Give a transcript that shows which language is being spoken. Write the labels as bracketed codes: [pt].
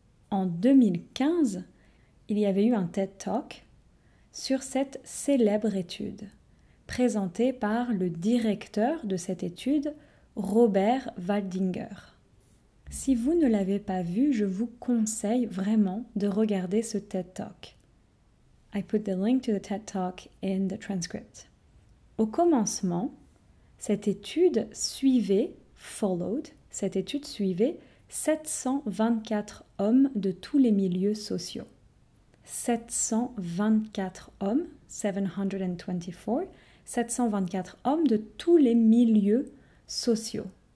[fr] En 2015, il y avait eu un TED Talk sur cette célèbre étude, présentée par le directeur de cette étude, Robert Waldinger. Si vous ne l'avez pas vu, je vous conseille vraiment de regarder ce TED Talk. [en] I put the link to the TED Talk in the transcript. [fr] Au commencement, cette étude suivait, [en] followed, [fr] cette étude suivait 724 hommes de tous les milieux sociaux. 724 hommes, 724, 724 hommes de tous les milieux sociaux.